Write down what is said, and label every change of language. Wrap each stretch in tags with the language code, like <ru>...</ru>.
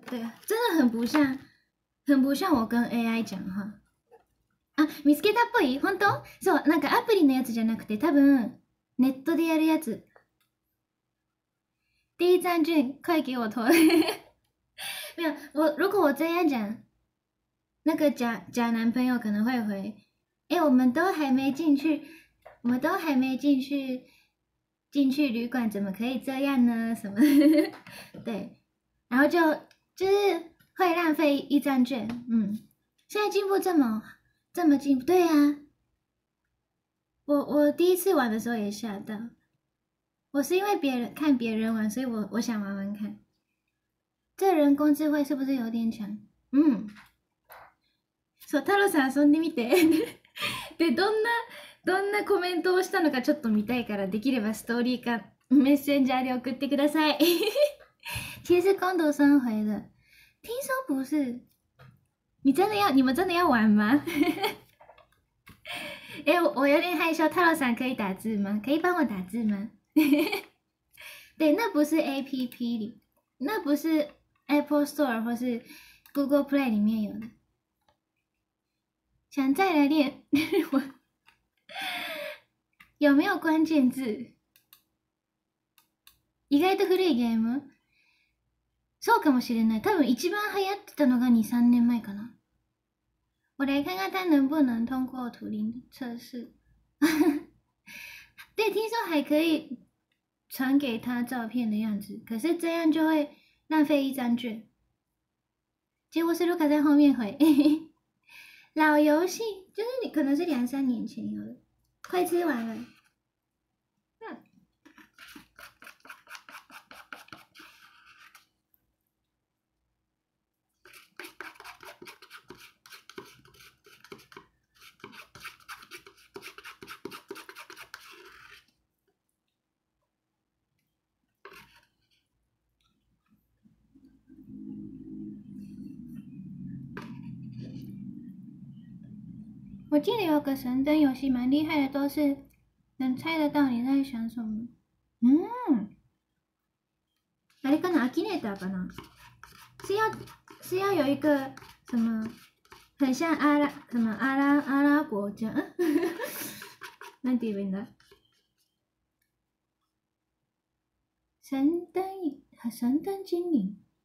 <zh>对，真的很不像我跟 AI 讲话。</zh> <ja>啊，見つけたっぽい？本当？そう、なんかアプリのやつじゃなくて、多分ネットでやるやつ。</ja> <zh>第一站俊，快给我投！没有我，如果我这样讲，那个假男朋友可能会回：欸，我们都还没进去，我们都还没进去旅馆，怎么可以这样呢？什么？对，然后就是。会浪费一张券，嗯，现在进步这么进步，对啊，我第一次玩的时候也吓到，我是因为看别人玩，所以我想玩玩看，这人工智慧是不是有点强？</zh> <ja>嗯，そう、太郎さん遊んでみて、でどんなコメントをしたのかちょっと見たいから、できればストーリーかメッセンジャーで送ってください。</ja> <zh>其实工藤さん回的。听说不是，你们真的要玩吗？哎、欸，我有点害羞。太郎さん可以打字吗？可以帮我打字吗？对，那不是 APP 里，那不是 Apple Store 或是 Google Play 里面有的。想再来练有没有关键字？</zh> <ja>意外と古いゲーム。そうかもしれない。多分一番流行ってたのが2、3年前かな。</ja> <zh>我来看看他能不能通过图灵测试。对，听说还可以传给他照片的样子，可是这样就会浪费一张卷。结果是卢卡在后面回。老游戏，就是你可能是两三年前有的，快吃完了。我记得有个神灯游戏蛮厉害的，都是能猜得到你在想什么。</zh> <ja>嗯，あれかな、アキネーターかな？</ja> <zh>是要有一个什么很像阿拉伯讲，那地名的神灯精灵。</zh>